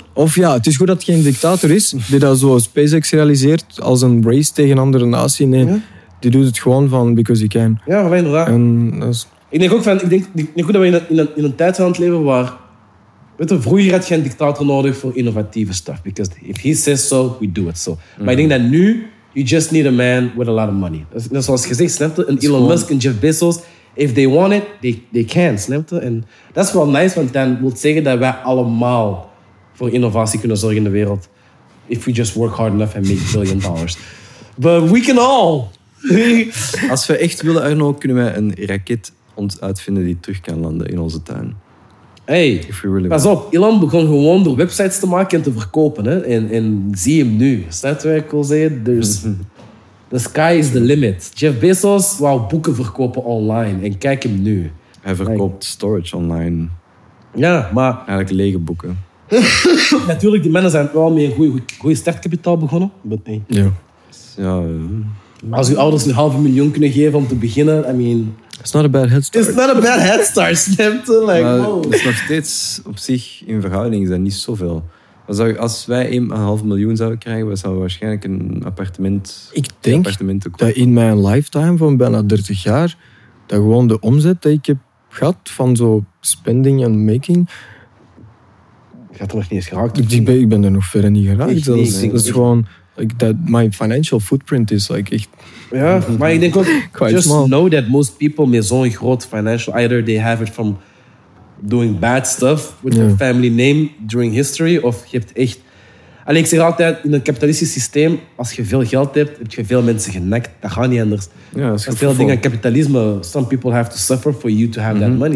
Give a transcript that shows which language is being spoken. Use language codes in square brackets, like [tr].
[nl] Of ja, het is goed dat het geen dictator is die dat zo SpaceX realiseert als een race tegen een andere natie. Nee, die doet het gewoon van [en] because he can. [nl] Ja, inderdaad. En dat is... Ik denk dat we in een tijd zijn aan het leven waar... Weet je, vroeger had je geen dictator nodig voor innovatieve stuff. [en] Because if he says so, we do it so. Mm. [nl] Maar ik denk dat nu... [en] You just need a man with a lot of money. [nl] Dat is zoals gezegd, snap je? En Elon Musk en Jeff Bezos, [en] if they want it, they can, [nl] snap je? En dat is wel nice, want dan moet zeggen dat wij allemaal voor innovatie kunnen zorgen in de wereld. [en] If we just work hard enough and make $1 billion. But we can all. [nl] Als we echt willen, Arno, kunnen wij een raket uitvinden die terug kan landen in onze tuin. [en] Hey, if we really pas want. Op. [nl] Elon begon gewoon door websites te maken en te verkopen. Hè? En zie hem nu. Snap je wat ik wil zeggen? Dus, [en] the sky is the limit. [nl] Jeff Bezos wou boeken verkopen online. En kijk hem nu. Hij verkoopt storage online. Ja, maar... Eigenlijk lege boeken. Natuurlijk, die mannen zijn wel met een goede startkapitaal begonnen. But nee. Ja. Als uw ouders een 500.000 kunnen geven om te beginnen, [en] I mean... It's not a bad head start. It's not a bad head start, snapte. Like, wow. [nl] Dat is nog steeds op zich in verhouding zijn niet zoveel. Als wij 500.000 zouden krijgen, zouden we waarschijnlijk een appartement... Ik denk kopen. Dat in mijn lifetime van bijna 30 jaar, dat gewoon de omzet die ik heb gehad van zo spending en making... Je had er nog niet eens geraakt. Ik ben er nog verder niet geraakt. Echt, dat is gewoon... [en] Like that, my financial footprint is like echt. [nl] Ja, maar ik denk ook. [en] Just small. Know that most people [nl] met zo'n groot financial. [en] Either they have it from doing bad stuff with their family name during history. [nl] Of je hebt echt. Alleen ik zeg altijd: in een kapitalistisch systeem, als je veel geld hebt, heb je veel mensen genekt. Dat gaat niet anders. Ja, dat is veel dingen aan kapitalisme. [en] Some people have to suffer for you to have that money.